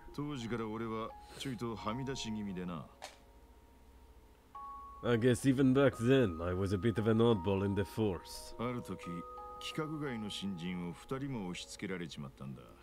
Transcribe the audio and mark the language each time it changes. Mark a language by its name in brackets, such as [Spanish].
[Japanese] 当時から俺はちょいとはみ出し気味でな。 [English] I guess even back then, I was a bit of an oddball in the force. [Japanese] ある時、規格外の新人を二人も押し付けられちまったんだ。